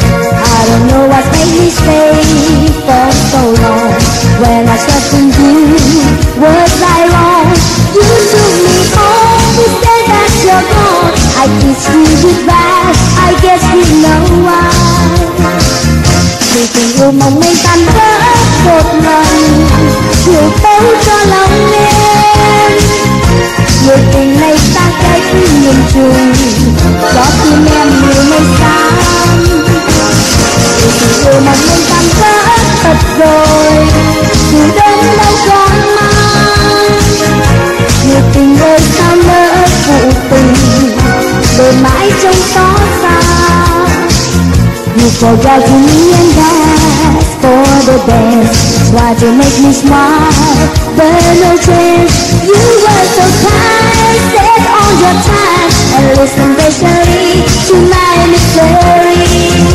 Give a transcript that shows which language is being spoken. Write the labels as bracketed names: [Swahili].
[English] I don't know what made me stay for so long. When I questioned you, was I wrong? You took me home, you said that you're gone. I kiss you goodbye, I guess you know why. [Vietnamese] Vì tình yêu mong manh tan vỡ một lần, chiều tối cho lòng em. Người tình này xa cách nhìn chung, gió tim em nhiều mây xám. Yêu mà nên tan vỡ thật rồi, dù đêm đâu còn mang. Người tình ơi sao nỡ phụ tình, để mãi trong gió xa. [English] You forgot me and asked for the best. Why to make me smile, burn a chance. You were so kind, set all your time, and listen patiently to my mystery.